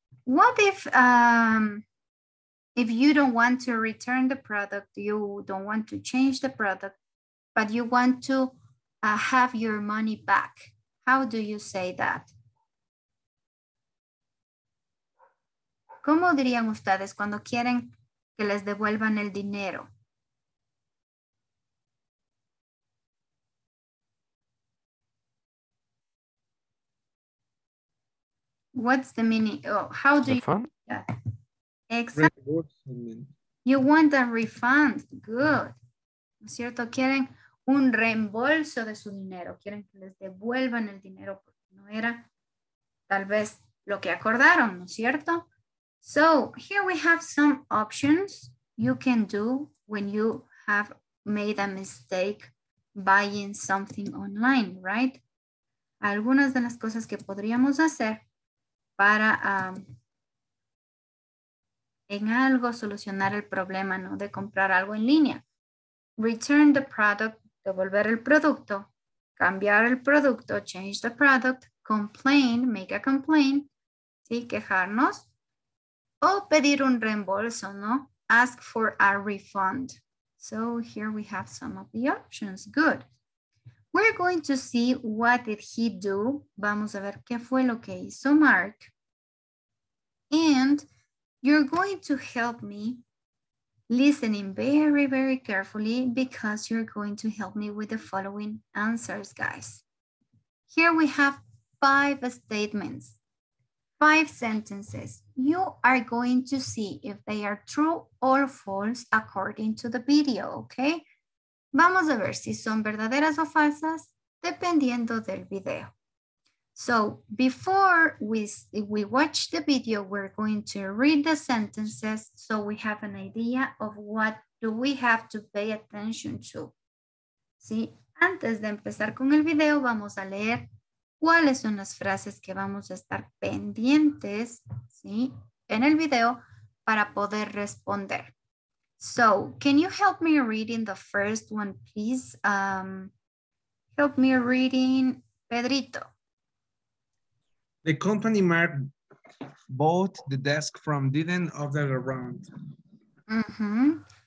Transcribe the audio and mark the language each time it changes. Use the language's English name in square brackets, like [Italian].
[English] What if you don't want to return the product, you don't want to change the product, but you want to have your money back. How do you say that? [Spanish] ¿Cómo dirían ustedes cuando quieren que les devuelvan el dinero? [English] What's the meaning? Oh, how do you say that? Exactly. You want a refund. Good. [Spanish] ¿No es cierto? Quieren un reembolso de su dinero. Quieren que les devuelvan el dinero porque no era tal vez lo que acordaron, ¿no es cierto? [English] So, here we have some options you can do when you have made a mistake buying something online, right? [Spanish] Algunas de las cosas que podríamos hacer para en algo solucionar el problema, ¿no? De comprar algo en línea. [English] Return the product, [Spanish] devolver el producto, cambiar el producto, [English] change the product, complain, make a complaint, [Spanish] ¿sí? Quejarnos, o pedir un reembolso, ¿no? [English] Ask for a refund. So here we have some of the options. Good. We're going to see what did he do. [Spanish] Vamos a ver qué fue lo que hizo Mark. [English] And you're going to help me listening very, very carefully because you're going to help me with the following answers, guys. Here we have five statements. 5 sentences. You are going to see if they are true or false according to the video, okay? [Spanish] Vamos a ver si son verdaderas o falsas dependiendo del video. [English] So before we watch the video, we're going to read the sentences so we have an idea of what do we have to pay attention to. [Spanish] ¿Sí? Antes de empezar con el video, vamos a leer cuáles son las frases que vamos a estar pendientes, ¿sí?, en el video para poder responder. [English] So, can you help me reading the first one, please? Help me reading, Pedrito. The company Mark bought the desk from Didn't Other Around. Mm-hmm.